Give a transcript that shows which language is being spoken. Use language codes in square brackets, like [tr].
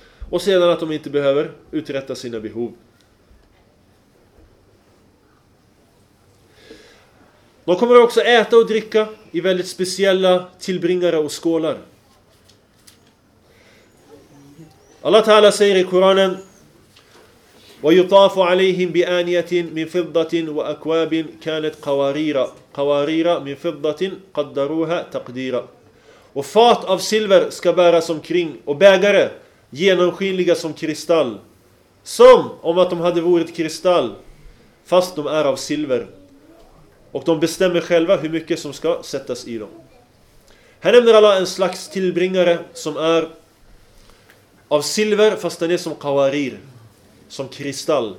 [sv] Och sedan att de inte behöver uträtta sina behov. De kommer också äta och dricka i väldigt speciella tillbringare och skålar. Allah Ta'ala säger i Koranen: [ar] وَيُطَافُ عَلَيْهِمْ بِآنِيَةٍ مِنْ فِضَّةٍ وَأَكْوَابٍ كَانَتْ قَوَارِيرًا قَوَارِيرًا مِنْ فِضَّةٍ قَدَّرُوهَا تَقْدِيرًا. [sv] Och fat av silver ska bäras omkring, och bägare genomskinliga som kristall, som om att de hade varit kristall, fast de är av silver. Och de bestämmer själva hur mycket som ska sättas i dem. Här nämner Allah en slags tillbringare som är av silver, fast den är som kawarir, som kristall.